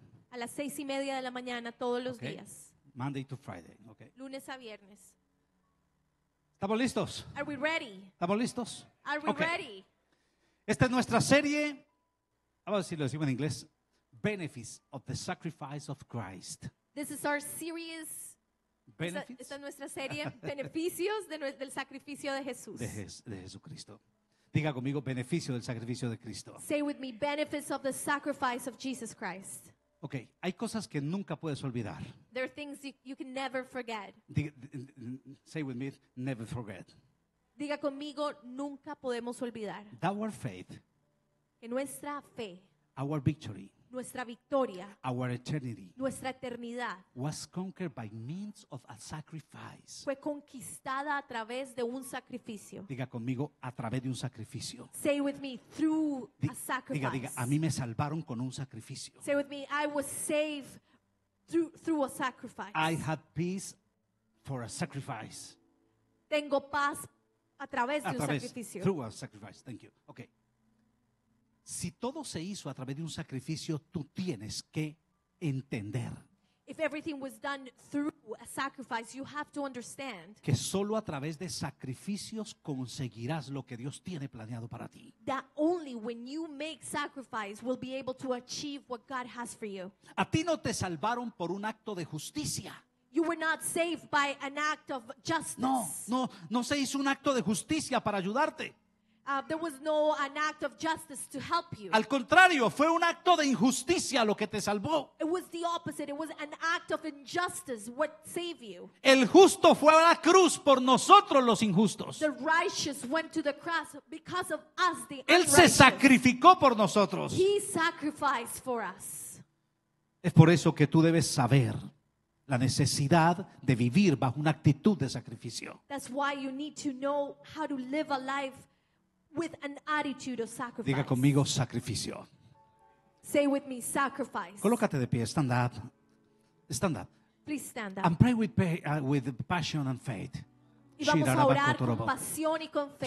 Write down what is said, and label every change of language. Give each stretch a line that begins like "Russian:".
Spanish: A las 6:30 de la mañana todos los días.
English: Monday to Friday. Okay.
Spanish: Lunes a viernes. ¿Estamos listos?
English: Are we ready?
Spanish: ¿Estamos listos?
English: Are we okay. ready?
Spanish: Esta es nuestra serie. Vamos a decirlo en inglés.
English: Benefits of the sacrifice of Christ. This is our series. Benefits.
Spanish: Esta es nuestra serie. Beneficios del sacrificio de Jesús. De Jesucristo. Diga conmigo, beneficio del sacrificio de Cristo.
English: Say with me, benefits of the sacrifice of Jesus Christ.
Spanish: Okay, hay cosas que nunca puedes olvidar.
English: There are things you can never forget. Say with me, never forget.
Spanish: Diga conmigo, nunca podemos olvidar.
English: Our faith.
Spanish: Que nuestra fe.
English: Our victory.
Spanish: Nuestra victoria.
English: Our eternity.
Spanish: Nuestra eternidad.
English: Was conquered by means of a sacrifice.
Spanish: Fue conquistada a través de un sacrificio. Diga conmigo, a través de un sacrificio.
English: Say with me, through a sacrifice.
Spanish: Diga, a mí me salvaron con un sacrificio.
English: Say with me, I was saved through a sacrifice. I had peace for a sacrifice.
Spanish: Tengo paz a través de un sacrificio.
English: Through a sacrifice. Thank you. Okay.
Spanish: Si todo se hizo a través de un sacrificio, tú tienes que entender.
English: If everything was done through a sacrifice, you have to understand.
Spanish: Que solo a través de sacrificios conseguirás lo que Dios tiene planeado para ti.
English: That only when you make sacrifice will be able to achieve what God has for you.
Spanish: A ti no te salvaron por un acto de justicia.
English: You were not saved by an act of justice.
Spanish: No se hizo un acto de justicia para ayudarte.
English: There was no an act of justice to help you.
Spanish: Al contrario, fue un acto de injusticia lo que te salvó.
English: It was the opposite. It was an act of injustice what saved you.
Spanish: El justo fue a la cruz por nosotros los injustos.
English: The righteous went to the cross because of us, the unrighteous.
Spanish: Él se sacrificó por nosotros.
English: He sacrificed for us.
Spanish: Es por eso que tú debes saber la necesidad de vivir bajo una actitud de sacrificio.
English: That's why you need to know how to live a life with an attitude of sacrifice.
Spanish: Diga conmigo, sacrificio.
English: Say with me, sacrifice.
Spanish: Colócate de pie,
English: stand up. Stand up. Please stand up. And pray with passion and faith.
Spanish: Y vamos a orar con pasión y con fe.